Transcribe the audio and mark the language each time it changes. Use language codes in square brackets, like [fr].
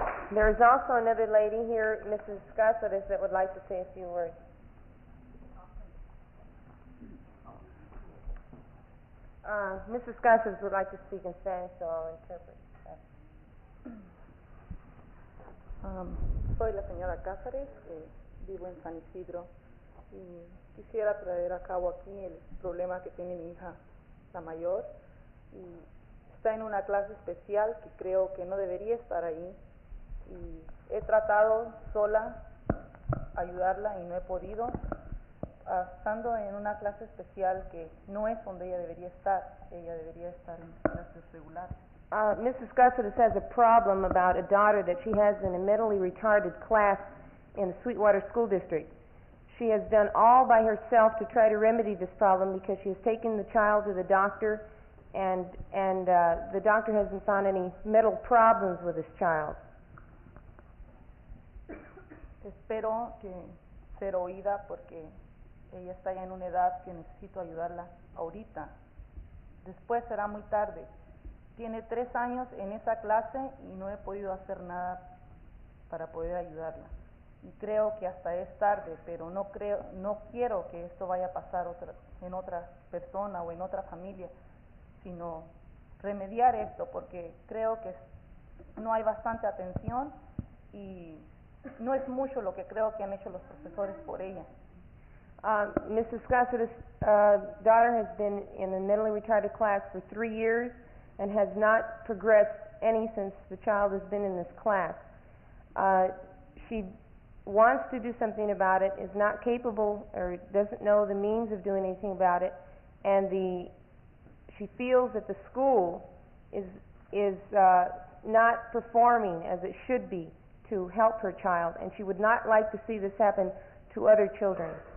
[en] There is also another lady here, Mrs. Casares, that would like to say a few words. Mrs. Casares would like to speak in Spanish, so I'll interpret. [es] Soy la señora Casares. Vivo en San Isidro y quisiera traer a cabo aquí el problema que tiene mi hija, la mayor, y está en una clase especial que creo que no debería estar ahí, y he tratado sola ayudarla y no he podido, estando en una clase especial que no es donde ella debería estar en clases regulares. [en] Mrs. Cáceres has a problem about a daughter that she has in a mentally retarded class in the Sweetwater School District. She has done all by herself to try to remedy this problem, because she has taken the child to the doctor, and the doctor hasn't found any mental problems with this child. [es] Espero que ser oída, porque ella está ya en una edad que necesito ayudarla ahorita. Después será muy tarde, tiene tres años en esa clase y no he podido hacer nada para poder ayudarla. Y creo que hasta es tarde, pero no creo, no quiero que esto vaya a pasar otra, en otra persona o en otra familia, sino remediar esto, porque creo que no hay bastante atención y no es mucho lo que creo que han hecho los profesores por ella. [en] Mrs. Scott, this daughter has been in a mentally retarded class for 3 years and has not progressed any since the child has been in this class. She wants to do something about it, is not capable or doesn't know the means of doing anything about it, and she feels that the school is not performing as it should be to help her child, and she would not like to see this happen to other children.